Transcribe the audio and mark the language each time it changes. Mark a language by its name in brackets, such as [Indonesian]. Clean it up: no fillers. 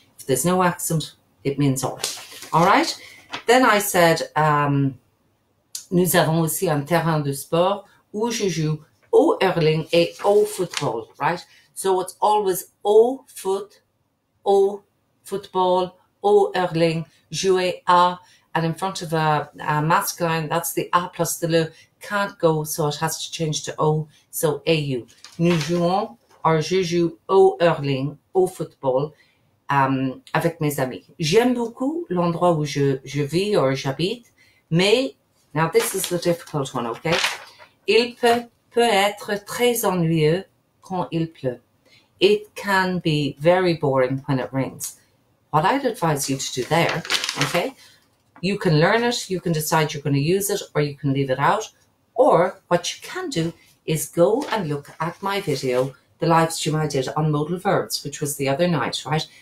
[English] If there's no accent, it means or. All right. Then I said, [French] nous avons aussi un terrain de sport où je joue au hurling et au football, right? [English] So it's always [French] au foot, au football, au hurling, jouer à. [English] And in front of a masculine, that's the a plus the le, can't go, so it has to change to o, so au. [French] Nous jouons or je joue au hurling, au football, avec mes amis. J'aime beaucoup l'endroit où je vis or j'habite, mais, [English] now this is the difficult one, okay? [French] Il peut être très ennuyeux quand il pleut. [English] It can be very boring when it rains. What I'd advise you to do there, okay? You can learn it, you can decide you're going to use it, or you can leave it out. Or what you can do is go and look at my video, the live stream I did on modal verbs, which was the other night, right?